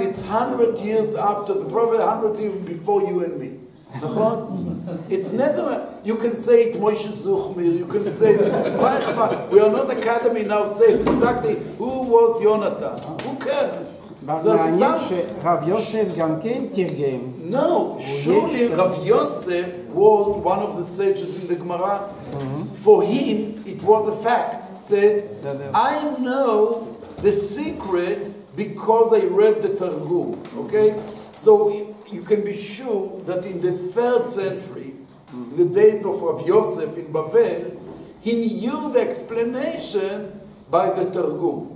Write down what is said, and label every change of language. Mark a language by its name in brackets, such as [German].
[English] It's 100 years after the Prophet, 100 years before you and me. [Hebrew] נכון? [English] It's never, you can say it Moshe Zuchmir, you can say it, we are not academy now saying exactly who was Yonatan, who cares? [Hebrew] מעניין שרב יוסף גם כן תרגם. [English] No, surely רב יוסף was one of the sages in the Gemara. For him, it was a fact, said, I know the secret because I read the Targum, okay? So, you can be sure that in the 3rd century, in the days of Rav Yosef in Bavel, he knew the explanation by the Targum.